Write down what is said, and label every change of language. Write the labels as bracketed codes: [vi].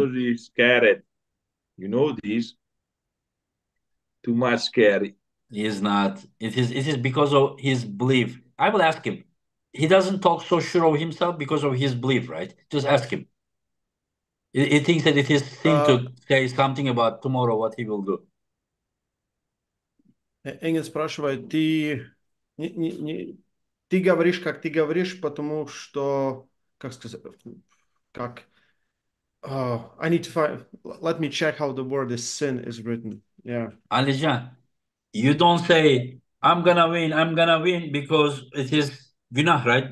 [en] because he's scared, you know this. Too much scary. He's not. It is because of his belief. I will ask him. He doesn't talk so sure of himself because of his belief, right? Just ask him. He thinks that it is his thing to say something about tomorrow, what he will do. [ru] Engel спрашивает, ты не ты говоришь, как ты говоришь, потому что, как сказать, как... [en] I need to find... Let me check how the word is sin is written. Yeah. Alizhan, you don't say, I'm gonna win, because it is günah, right?